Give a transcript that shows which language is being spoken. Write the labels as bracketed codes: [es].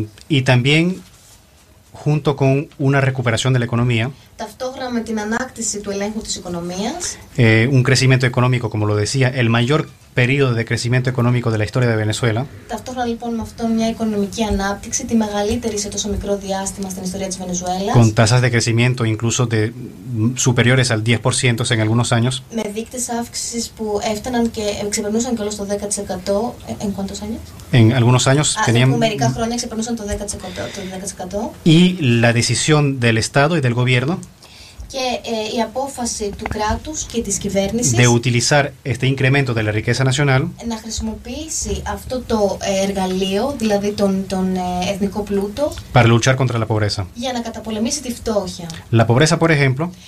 [es] Y también junto con una recuperación de la economía, [el] ταυτόχρονα με την ανάκτηση του ελέγχου της οικονομίας, [es] un crecimiento económico, como lo decía, el mayor periodo de crecimiento económico de la historia de Venezuela, [el] ταυτόχρονα λοιπόν με αυτό μια οικονομική ανάπτυξη, τη μεγαλύτερη σε τόσο μικρό διάστημα στην ιστορία της Βενεζουέλας, [es] con tasas de crecimiento incluso de superiores al 10% en algunos años, [el] με δείκτες αύξησης που έφταναν και ξεπερνούσαν και όλο το 10%, [es] en cuántos años? En algunos años [el] tenían, μερικά χρόνια ξεπερνούσαν το 10%, το 10%, [es] y la decisión del Estado y del gobierno, [el] και η απόφαση του κράτους και της κυβέρνησης, [es] de utilizar este incremento de la riqueza nacional, [el] να χρησιμοποιήσει αυτό το εργαλείο, δηλαδή τον εθνικό πλούτο, [es] para luchar contra la pobreza, [el] για να καταπολεμήσει τη φτώχεια. [es] La pobreza, por ejemplo,